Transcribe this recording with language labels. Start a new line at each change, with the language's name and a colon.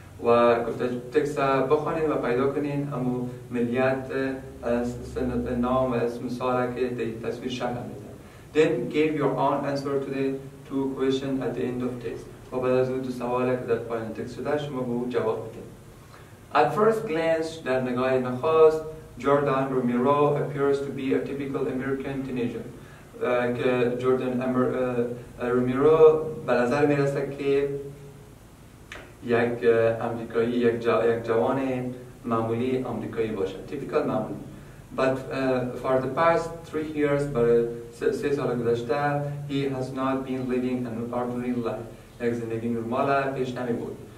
Persian: و گفته تکس بخونین و پیدا کنین امو ملیت سن نام و اسم سال که دی تصویر شکل میده.
English: Then give your own answer to the two questions at the end of text.
Persian: و بعد از اون دو سوال که در پایان تکس شده شما به اون جواب بدین.
English: At first glance,
Persian: در نگاه نخست
English: Jordan Romero appears to be a typical American teenager.
Persian: Jordan Romero, بنظر میرسه که یک آمریکایی، یک جوان معمولی آمریکایی باشه.
English: Typical معمولی. But for the past 3 years,
Persian: برای 3 سال گذشته,
English: he has not been living an ordinary life.
Persian: یک زندگی نرمال پیش نمی بود.